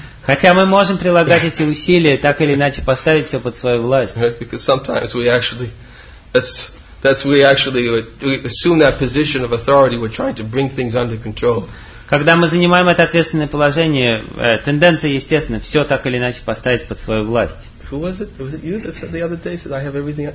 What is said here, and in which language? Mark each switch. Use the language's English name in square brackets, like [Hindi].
[Russian] Хотя мы можем прилагать эти усилия, так или иначе поставить все под свою власть. [English] Because sometimes we actually, that's we assume that position of authority. We're trying to bring things under control. [Russian] Когда мы занимаем это ответственное положение, тенденция, естественно, все так или иначе поставить под свою власть. [English] Who was it? Was it you that said the other day that I have everything?